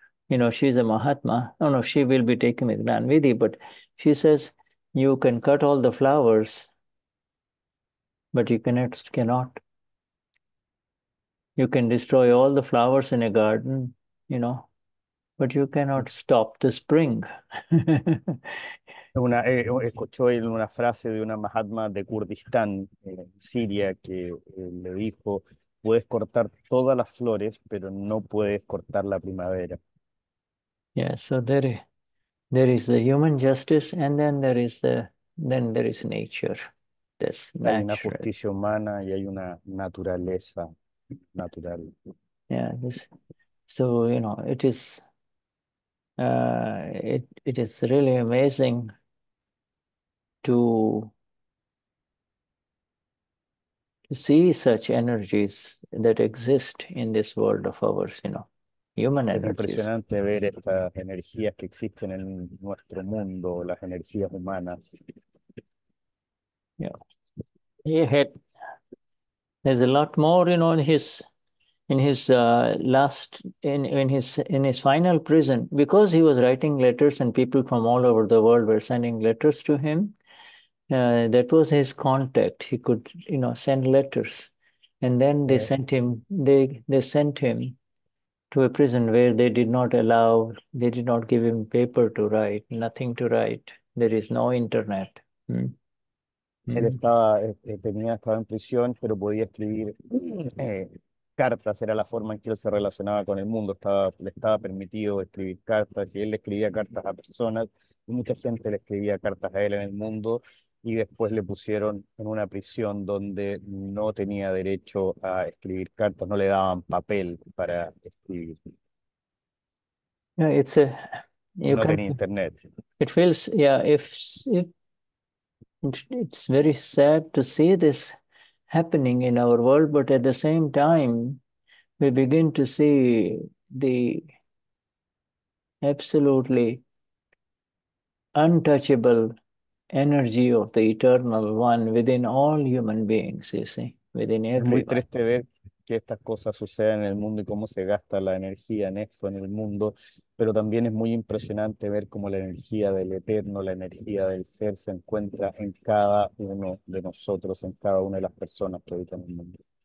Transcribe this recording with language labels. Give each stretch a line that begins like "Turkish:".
English: You know, she's a Mahatma. I don't know if she will be taking the Gnanvidhi, but she says, you can cut all the flowers, but you cannot. You can destroy all the flowers in a garden, you know, but you cannot stop the spring.
Spanish: Escuchó una frase de una Mahatma de Kurdistán, en Siria, que le dijo, puedes cortar todas las flores, pero no puedes cortar la primavera.
English: Yeah, so there is the human justice, and then there is nature. This
Spanish: hay una justicia humana y hay una naturaleza natural.
English: Yeah, this, so you know, it is really amazing to see such energies that exist in this world of ours, you know. Human
Spanish: es impresionante ver estas energías que existen en nuestro mundo, las energías humanas.
English: Yeah. There's a lot more, you know, in his final prison, because he was writing letters and people from all over the world were sending letters to him. That was his contact. He could, you know, send letters, and then they yeah. sent him. They sent him to a prison where they did not allow, they did not give him paper to write, nothing to write. There is no internet.
Spanish: Él estaba en prisión, pero podía escribir cartas. Era la forma en que él se relacionaba con el mundo. Le estaba permitido escribir cartas, y él le escribía cartas a personas, y mucha gente le escribía cartas a él en el mundo, y después le pusieron en una prisión donde no tenía derecho a escribir cartas, no le daban papel para escribir.
English: No, it's a, you
Spanish: No
English: can't,
Spanish: tenía internet.
English: it feels, yeah, if it, it's very sad to see this happening in our world, but at the same time, we begin to see the absolutely untouchable energy of the eternal one within all human beings, you see, within everyone.
Spanish: Es muy triste ver que estas cosas sucedan en el mundo y cómo se gasta la energía en esto, en el mundo, pero también es muy impresionante ver cómo la energía del eterno, la energía del ser se encuentra en cada uno de nosotros, en cada una de las personas que habitan el mundo.